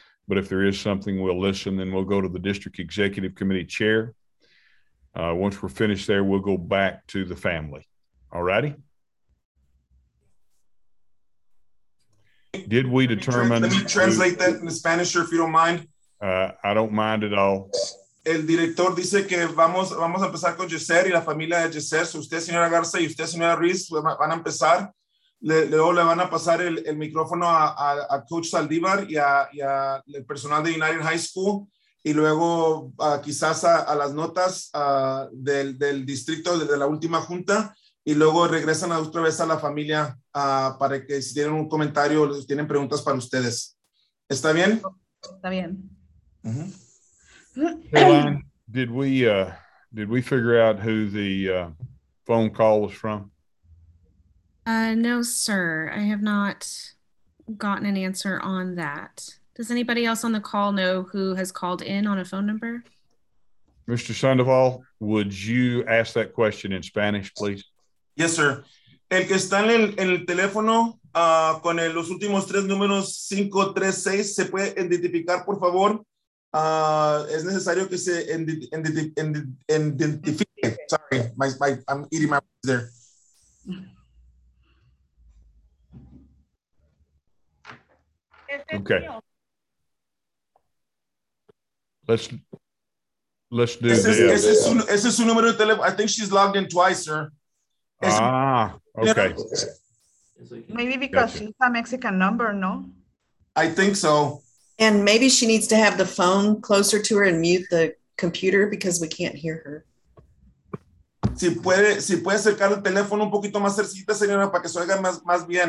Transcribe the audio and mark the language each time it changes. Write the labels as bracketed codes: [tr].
[en] But if there is something, we'll listen. Then we'll go to the district executive committee chair. Once we're finished there, we'll go back to the family. All righty. Did we determine? Let me translate that in Spanish, sir, if you don't mind. I don't mind at all. [es] El director dice que vamos a empezar con Yeser y la familia de Yeser. So usted, señora Garza, y usted, señora Ruiz, van a empezar. Luego le van a pasar el micrófono a Coach Saldívar y a el personal de United High School. y luego quizás a las notas del distrito de la última junta, y luego regresan otra vez a la familia para que si tienen un comentario o si tienen preguntas para ustedes. ¿Está bien? Está bien. Uh-huh. [en] Hey, Lynn, did we figure out who the phone call was from? No, sir. I have not gotten an answer on that. Does anybody else on the call know who has called in on a phone number? Mr. Sandoval, would you ask that question in Spanish, please? Yes, sir. [es] El que está en el teléfono con los últimos tres números 536, ¿se puede identificar, por favor? Es necesario que se identifique. [en] Sorry, I'm eating my words there. Okay. Let's do this. [es] Ese es su número de teléfono. [en] I think she's logged in twice, sir. Okay. Maybe because gotcha. She's a Mexican number, no? I think so. And maybe she needs to have the phone closer to her and mute the computer because we can't hear her. [es] Si puede acercar el teléfono un poquito más cercita, señora, para que se oiga más bien.